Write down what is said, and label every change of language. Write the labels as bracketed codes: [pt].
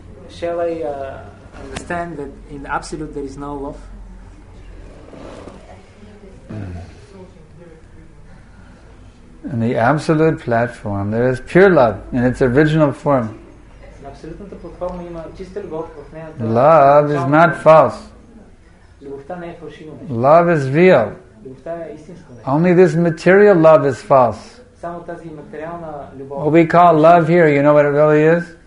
[en] Shall I understand that in the absolute there is no love? In the absolute platform, there is pure love in its original form. [bg] абсолютната платформа има чиста любов в нея. [en] Love is not false. [bg] Любовта не е фалшива. [en] Love is real. [bg] Любовта е истинска. [en] Only this material love is false. [bg] Само тази материална любов. [en] What we call love here, you know what it really is?